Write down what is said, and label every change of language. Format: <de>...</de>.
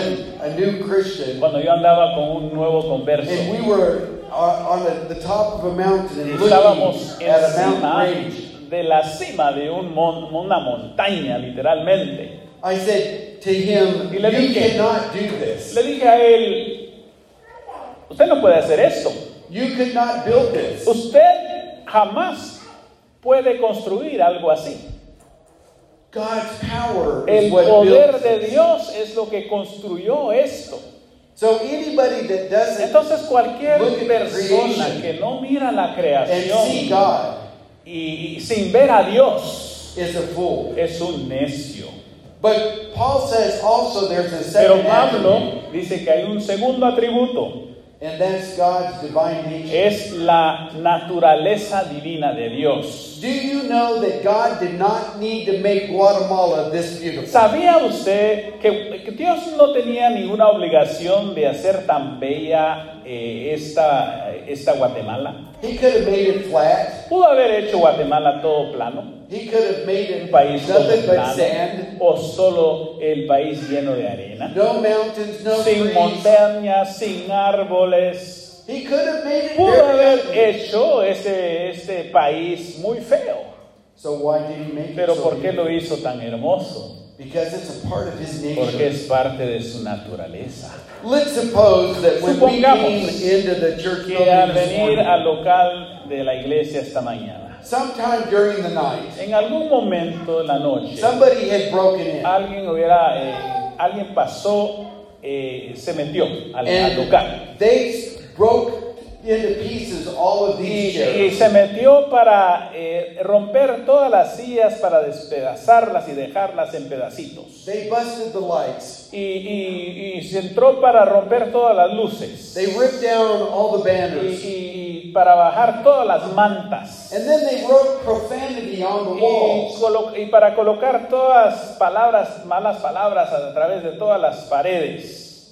<en>I was a new Christian,</en> <es>cuando yo andaba con un nuevo converso,</es> <en>and we were on the top of a mountain,</en> <es>y estábamos</es> <en>at a mountain range.</en> <es>De la cima de una montaña, literalmente.</es> <en>I said to him, you cannot do this.</en> <es>Le dije a él, usted no puede hacer eso.</es> <en>You could not build this.</en> <es>Usted jamás puede construir algo así.</es> <en>God's power</en> <es>el</es> <en>is what</en> <es>poder</es> <en>built</en> <es>de Dios es lo que construyó esto.</es> <en>So anybody that doesn't</en> <es>entonces cualquier persona que no mira la creación</es> <en>see God</en> <es>y sin ver a Dios</es> <en>is a fool.</en> <es>Es un necio.</es> <en>But Paul says also there's a second</en> <es>pero Pablo</es> <en>attribute,</en> <es>dice que hay un segundo atributo.</es> <en>And that's God's divine nature.</en> <es>Es la naturaleza divina de Dios.</es> <en>Do you know that God did not need to make Guatemala this beautiful?</en> <es>¿Sabía usted que Dios no tenía ninguna obligación de hacer tan bella esta Guatemala?</es> <en>He could have made it flat.</en> <es>Pudo haber hecho Guatemala todo plano.</es> <en>He could have made it</en> <es>un país</es> <en>nothing</en> <es>plano,</es> <en>but sand.</en> <es>O solo el país lleno de arena.</es> <en>No mountains, no</en> <es>sin</es> <en>trees.</en> <es>Montañas, sin árboles.</es> <en>He could have made it</en> <es>pudo</es> <en>very</en> <es>haber</es> <en>ugly.</en> <es>Hecho ese país muy feo.</es> <en>So why did he make it</en> <es>pero</es> <en>so</en> <es>¿por qué</es> <en>beautiful?</en> <es>Lo hizo tan hermoso?</es> <en>Because it's a part of his nature.</en> <es>Porque es parte de su naturaleza.</es> <en>Let's suppose that when</en> <es>supongamos</es> <en>we came into the church</en> <es>que al venir al local de la iglesia esta mañana</es> <en>sometime during the night</en> <es>en algún momento de la noche</es> <en>somebody had broken in</en> <es>alguien pasó se metió al local</es> <en>they broke into pieces all of these chairs.</en> <es>Y se metió para romper todas las sillas para despedazarlas y dejarlas en pedacitos.</es> <en>They busted the lights.</en> <es>Y se entró para romper todas las luces.</es> <en>They ripped down all the banners.</en> <es>Y para bajar todas las mantas.</es> <en>And then they wrote profanity on the walls.</en> <es>Y para colocar todas palabras, malas palabras a través de todas las paredes.</es>